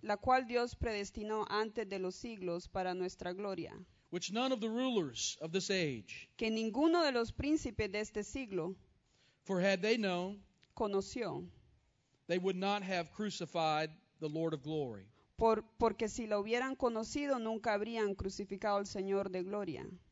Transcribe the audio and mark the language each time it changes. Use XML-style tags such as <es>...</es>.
<es>La cual Dios predestinó antes de los siglos para nuestra gloria.</es> <en>Which none of the rulers of this age.</en> <es>Que ninguno de los príncipes de este siglo.</es> <en>For had they known.</en> <es>Conoció.</es> <en>They would not have crucified the Lord of glory.</en> <es>Porque si lo hubieran conocido, nunca habrían crucificado al Señor de gloria.</es>